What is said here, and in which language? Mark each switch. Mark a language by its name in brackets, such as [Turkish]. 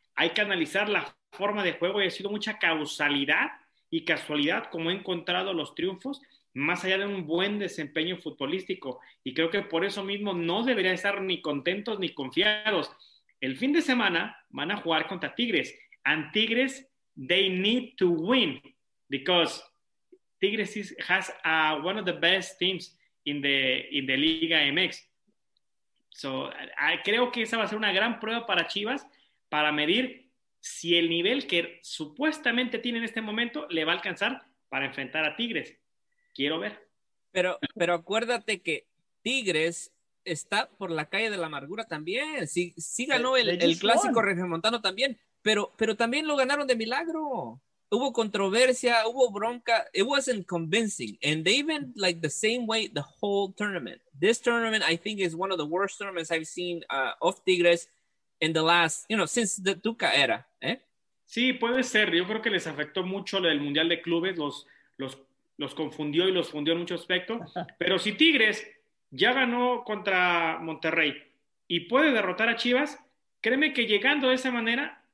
[Spanish] Hay que analizar la forma de juego y ha sido mucha causalidad y casualidad como he encontrado los triunfos, más allá de un buen desempeño futbolístico. Y creo que por eso mismo no debería estar ni contentos ni confiados. El fin de semana van a jugar contra Tigres. [English] And Tigres, they need to win because Tigres has one of the best teams in the Liga MX. [Spanish] So I creo que esa va a ser una gran prueba para Chivas para medir si el nivel que supuestamente tiene en este momento le va a alcanzar para enfrentar a Tigres. Quiero ver. Pero acuérdate que Tigres está por la calle de la amargura también. Sí ganó el clásico regiomontano también. Pero también lo ganaron de milagro. Hubo controversia, hubo bronca. [English] It wasn't convincing. And they even like the same way the whole tournament. This tournament, I think, is one of the worst tournaments I've seen of Tigres in the last, you know, since the Tuca era. [Spanish] ¿Eh? Sí, puede ser. Yo creo que les afectó mucho el Mundial de Clubes. Los confundió y los fundió en mucho aspecto. Pero si Tigres ya ganó contra Monterrey y puede derrotar a Chivas, créeme que llegando de esa manera...